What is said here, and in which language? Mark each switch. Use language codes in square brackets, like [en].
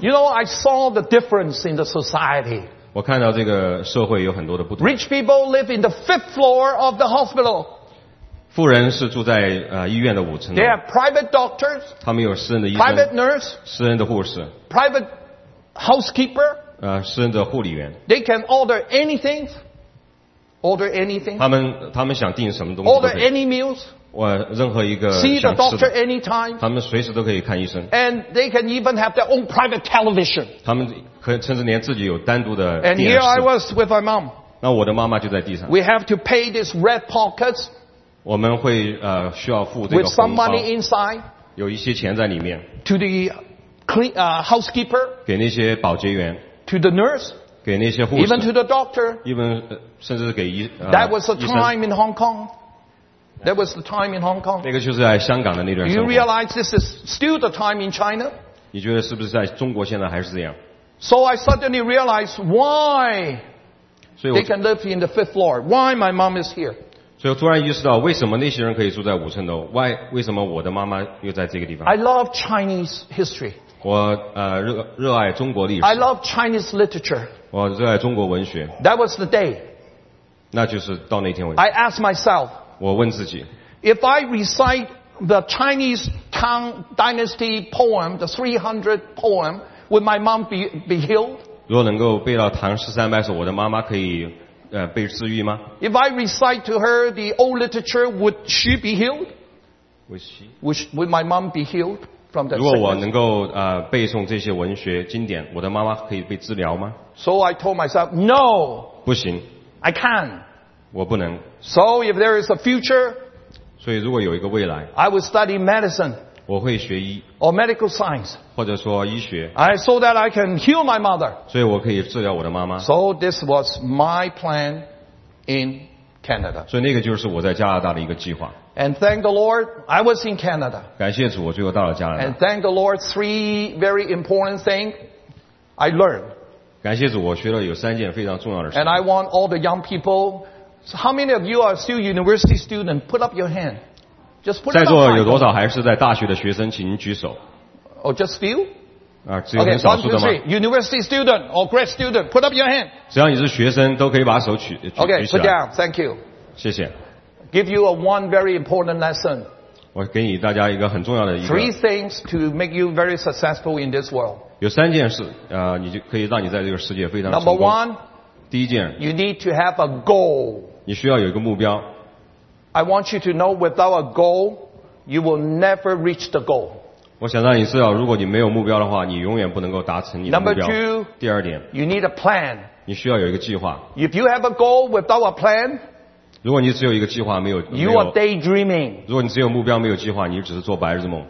[en] You know, I saw the difference in the society. [zh] 我看到这个社会有很多的不同。 [en] Rich people live in the fifth floor of the hospital. [zh] 富人是住在医院的五层楼。 [en] They have private doctors. [zh] 他们有私人的医生。 [en] Private nurse. [zh] 私人的护士。 [en] Private housekeeper. [zh] 私人的护理员。 [en] They can order anything. Order anything. [zh] 他们想订什么东西。 [en] Order any meals. [zh] 任何一个想吃的 [en] See the doctor anytime. [zh] 他们随时都可以看医生。 [en] And they can even have their own private television. [zh] 他们甚至连自己有单独的电视。 [en] And here I was with my mom. [zh] 那我的妈妈就在地上。 [en] We have to pay these red pockets. [zh] 我们会需要付这个红包。 [en] With some money inside. [zh] 有一些钱在里面。 [en] To the housekeeper. [zh] 给那些保洁员。 [en] To the nurse. [zh] 给那些护士。 [en] Even to the doctor. Even [zh] 甚至给 [en] That was a time in Hong Kong. That was the time in Hong Kong. [zh] 那个就是在香港的那段生活。 [en] You realize this is still the time in China? [zh] 你觉得是不是在中国现在还是这样？ [en] So I suddenly realized why they can live in the fifth floor. Why my mom is here? [zh] 所以我突然意识到为什么那些人可以住在五层楼？ [en] Why [zh] 为什么我的妈妈又在这个地方？ [en] I love Chinese history. [zh] 我热爱中国历史。 [en] I love Chinese literature. [zh] 我热爱中国文学。 [en] That was the day. [zh] 那就是到那天为止。 [en] I asked myself. [zh] 我问自己 [en] If I recite the Chinese Tang Dynasty poem, the 300 poem, would my mom be healed? [zh] 如果能够背到唐诗三百首，我的妈妈可以被治愈吗？ [en] If I recite to her the old literature, would she be healed? Would my mom be healed from that? [zh] 如果我能够背诵这些文学经典，我的妈妈可以被治疗吗？ [en] So I told myself, no. [zh] 不行。 [en] I can't. [zh] 我不能。 [en] So if there is a future, [zh] 所以如果有一个未来 [en] I will study medicine, [zh] 我会学医 [en] or medical science, [zh] 或者说医学 [en] so that I can heal my mother. [zh] 所以我可以治疗我的妈妈。 [en] So this was my plan in Canada. [zh] 所以那个就是我在加拿大的一个计划。 [en] And thank the Lord, I was in Canada. [zh] 感谢主，我最后到了加拿大。 [en] And thank the Lord, three very important things I learned. [zh] 感谢主，我学了有三件非常重要的事。 [en] And I want all the young people,So how many of you are still university student? Put up your hand. Just put it up. [zh] 在座有多少还是在大学的学生，请举手。 [en] Oh, just few? [zh] 只有很少数的吗 [en] ？Okay, one, two, three. University student or grad student, put up your hand. [zh] 只要你是学生，都可以把手举起来。 [en] Okay, put down. Thank you. [zh] 谢谢。 [en] Give you a one very important lesson. [zh] 我给你大家一个很重要的一个。 [en] Three things to make you very successful in this world. [zh] 有三件事，你就可以让你在这个世界非常成功。 [en] Number one. [zh] 第一件 [en] you need to have a goal. [zh] 你需要有一个目标。 [en] I want you to know without a goal, you will never reach the goal. [zh] 我想让你知道，如果你没有目标的话，你永远不能够达成你的目标。 [en] Number two, [zh] 第二点 [en] you need a plan. [zh] 你需要有一个计划。 [en] If you have a goal without a plan, [zh] 如果你只有一个计划，没有 [en] you are daydreaming. [zh] 如果你只有目标没有计划，你只是做白日梦。